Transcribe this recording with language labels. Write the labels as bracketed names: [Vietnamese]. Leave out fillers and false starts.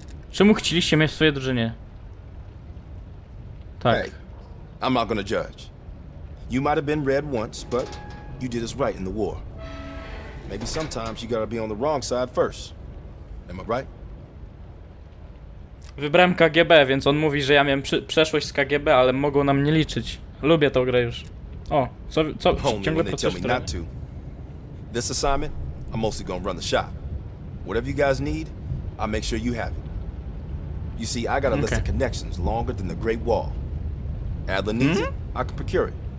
[Polish] Czemu chcieliście mnie w swojej drużynie? Tak. [English] Hey, I'm not gonna judge. You might have been red once, but you did us right in the war. Maybe sometimes you gotta be on the wrong side first. Am I right? [Polish] Wybrałem KGB, więc on mówi, że ja miałem przeszłość z KGB, ale mogą na mnie liczyć. Lubię tę grę już. O, co ciągle to. [English] This assignment, I'm mostly gonna run the shop. Whatever you guys need, I'll make sure you have it. You see, I got a list of connections longer than the Great Wall. Adler needs it, I can procure it.